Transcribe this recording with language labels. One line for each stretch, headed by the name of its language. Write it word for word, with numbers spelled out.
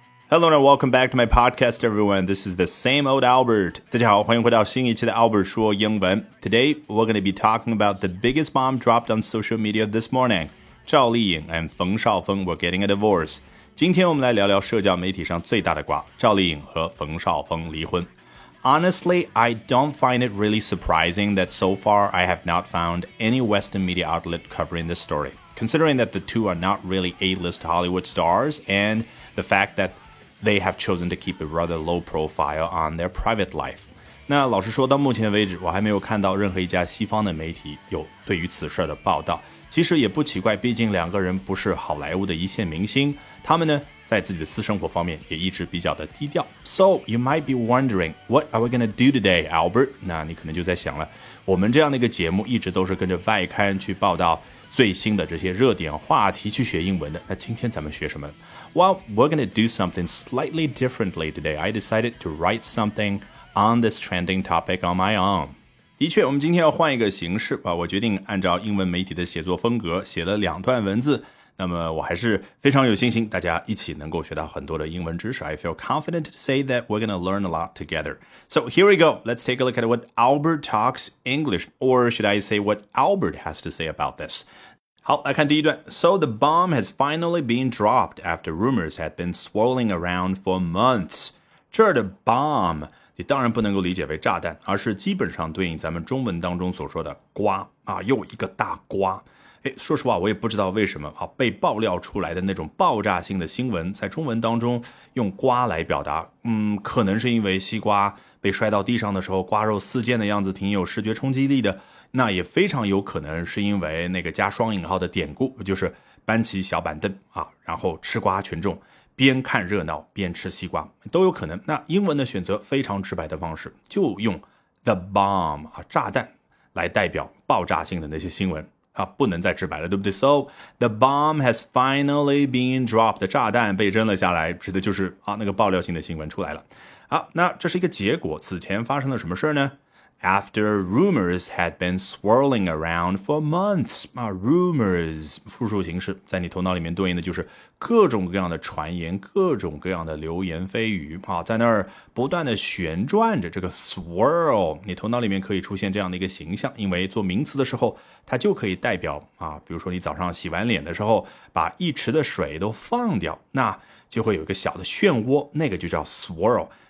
English: Hello and welcome back to my podcast, everyone. This is the same old Albert.
Chinese: 大家好，欢迎回到新一期的 Albert 说英文。
English: Today, we're going to be talking about the biggest bomb dropped on social media this morning. 赵丽颖 and 冯绍峰 were getting a divorce.
Chinese: 今天我们来聊聊社交媒体上最大的瓜，赵丽颖和冯绍峰离婚。
English: Honestly, I don't find it really surprising that so far I have not found any Western media outlet covering this story, considering that the two are not really A-list Hollywood stars and the fact that they have chosen to keep a rather low profile on their private life.
Chinese: 那老实说，到目前为止，我还没有看到任何一家西方的媒体有对于此事的报道。其实也不奇怪，毕竟两个人不是好莱坞的一线明星，他们呢在自己的私生活方面也一直比较的低调。
English: So you might be wondering, what are we gonna do today, Albert?
Chinese: 那你可能就在想了，我们这样的一个节目一直都是跟着外刊去报道最新的这些热点话题去学英文的，那今天咱们学什么？
English: Well, we're going to do something slightly differently today. I decided to write something on this trending topic on my own.
Chinese: 的确，我们今天要换一个形式吧，我决定按照英文媒体的写作风格写了两段文字。那么我还是非常有信心大家一起能够学到很多的英文知识。
English: I feel confident to say that we're going to learn a lot together. So here we go. Let's take a look at what Albert talks English, or should I say what Albert has to say about this.
Chinese: 好，来看第一段。
English: So the bomb has finally been dropped after rumors had been swirling around for months.
Chinese: 这儿的 bomb 你当然不能够理解为炸弹，而是基本上对应咱们中文当中所说的瓜啊，又一个大瓜。诶，说实话我也不知道为什么、啊、被爆料出来的那种爆炸性的新闻在中文当中用瓜来表达，嗯，可能是因为西瓜被摔到地上的时候瓜肉四溅的样子挺有视觉冲击力的，那也非常有可能是因为那个加双引号的典故，就是搬起小板凳啊，然后吃瓜群众边看热闹边吃西瓜都有可能。那英文的选择非常直白的方式就用 the bomb 啊，炸弹来代表爆炸性的那些新闻啊，不能再直白了，对不对？
English: So, the bomb has finally been dropped.
Chinese: 炸弹被扔了下来，指的就是啊那个爆料性的新闻出来了。好，那这是一个结果，此前发生了什么事呢？
English: After rumors had been swirling around for months.
Chinese: 啊 rumors 复数形式在你头脑里面对应的就是各种各样的传言，各种各样的流言蜚语啊，在那儿不断的旋转着。这个 swirl 你头脑里面可以出现这样的一个形象，因为做名词的时候它就可以代表啊，比如说你早上洗完脸的时候把一池的水都放掉，那就会有一个小的漩涡，那个就叫 swirl。